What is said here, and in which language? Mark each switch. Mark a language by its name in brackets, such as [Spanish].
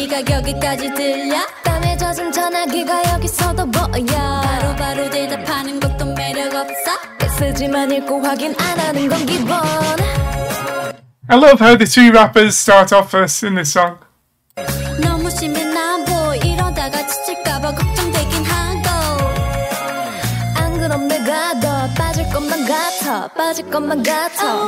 [Korean] 여기까지 들려 땀에 젖은 전화기가 여기서도 보여 바로바로 대답하는 것도 매력 없어 메시지만 읽고 확인 안 하는 건 기본. [English] I love how the two rappers start off first in this song. [Korean] 너무 심해 나 이러다가 지칠까봐 걱정되긴 하고 안 그럼 내가 더 빠질 것만 같아 빠질 것만 같아.